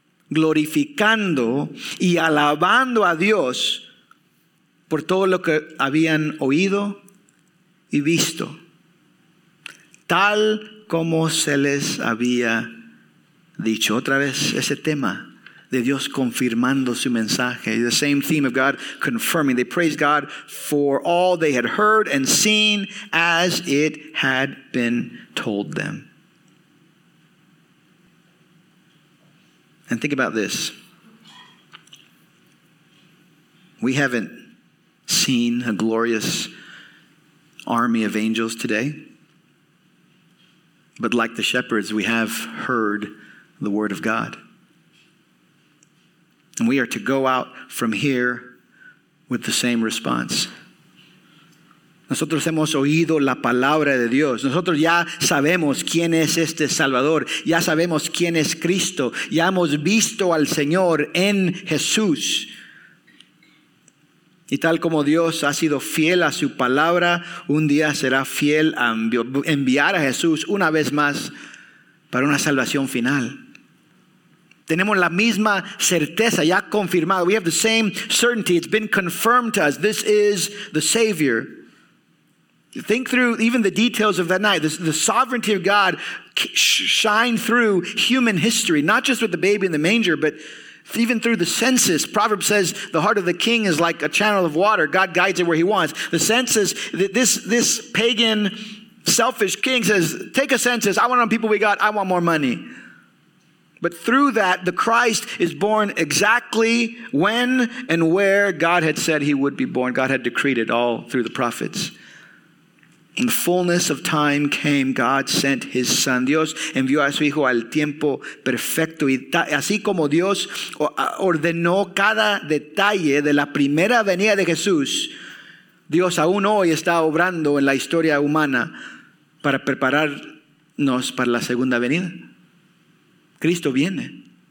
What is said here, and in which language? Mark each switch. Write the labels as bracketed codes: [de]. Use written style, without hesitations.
[es] Glorificando y alabando a Dios por todo lo que habían oído y visto, tal como se les había dicho. Otra vez ese tema de Dios confirmando su mensaje. [en] The same theme of God confirming. They praised God for all they had heard and seen as it had been told them. And think about this. We haven't seen a glorious army of angels today. But like the shepherds, we have heard the word of God. And we are to go out from here with the same response. [es] Nosotros hemos oído la palabra de Dios. Nosotros ya sabemos quién es este Salvador. Ya sabemos quién es Cristo. Ya hemos visto al Señor en Jesús. Y tal como Dios ha sido fiel a su palabra, un día será fiel a enviar a Jesús una vez más para una salvación final. Tenemos la misma certeza, ya confirmado. [en] We have the same certainty. It's been confirmed to us. This is the Savior. Think through even the details of that night. The sovereignty of God shine through human history, not just with the baby in the manger, but even through the census. Proverbs says the heart of the king is like a channel of water. God guides it where he wants. The census, this pagan, selfish king says, take a census. I want all the people we got. I want more money. But through that, the Christ is born exactly when and where God had said he would be born. God had decreed it all through the prophets. In the fullness of time came, God sent his son. [es] Dios envió a su hijo al tiempo perfecto. Y así como Dios ordenó cada detalle de la primera venida de Jesús, Dios aún hoy está obrando en la historia humana para preparar no es para la segunda venida. Cristo viene.